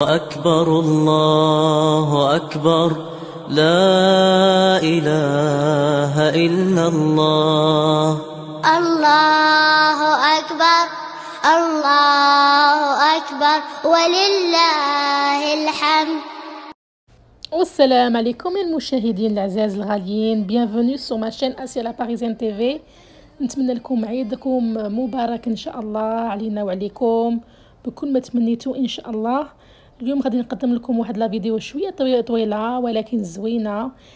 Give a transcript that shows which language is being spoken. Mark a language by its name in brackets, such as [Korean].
[Arabic] أكبر الله أكبر لا إله إلا الله الله أكبر الله أكبر ولله الحمد. Assalamu alaikum et mouchahidine l'aziz l'ghaliyin. [French] Bienvenue sur ma chaîne Asia La Parisienne TV. [Arabic] نتمنى لكم عيدكم مبارك إن شاء الله علينا وعليكم بكل ما تمنيتوا إن شاء الله. اليوم غادي نقدم لكم واحد لا فيديو شويه طويله ولكن زوينه.